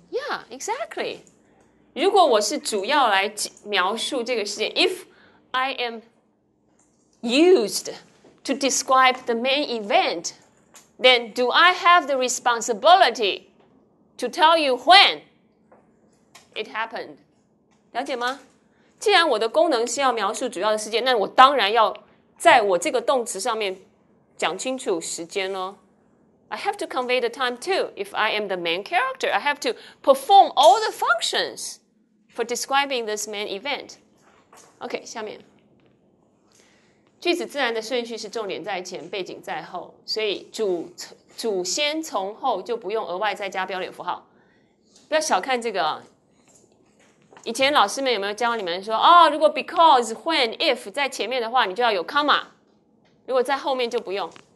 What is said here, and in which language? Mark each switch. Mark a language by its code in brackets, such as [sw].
[en] yeah exactly， [zh] 如果我是主要来描述这个时间， [en] if I amused to describe the main event, then do I have the responsibility to tell you when it happened? [zh] 了解吗？既然我的功能是要描述主要的事件，那我当然要在我这个动词上面讲清楚时间咯。 [en] I have to convey the time too. If I am the main character, I have to perform all the functions for describing this main event. [zh] OK, 下面。句子自然的顺序是重点在前，背景在后，所以 主先从后就不用额外再加标点符号。不要小看这个、啊、以前老师们有没有教你们说哦，如果 [en] because, when, if [zh] 在前面的话你就要有 comma， 如果在后面就不用。